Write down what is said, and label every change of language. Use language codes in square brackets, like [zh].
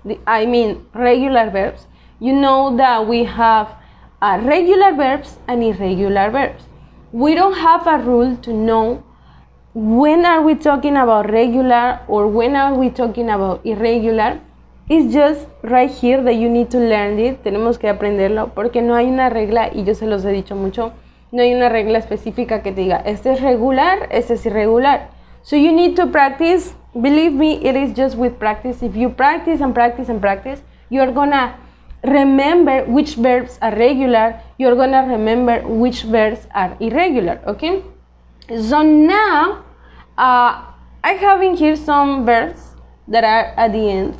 [en] Regular verbs. You know that we have regular verbs and irregular verbs. We don't have a rule to know when are we talking about regular or when are we talking about irregular. It's just right here that you need to learn it. [es] Tenemos que aprenderlo porque no hay una regla y yo se los he dicho mucho. No hay una regla específica que te diga, este es regular, este es irregular. [en] So you need to practice. Believe me, it is just with practice. If you practice and practice and practice, you're gonna remember which verbs are regular, you're gonna remember which verbs are irregular, okay? So now, I have in here some verbs that are at the end.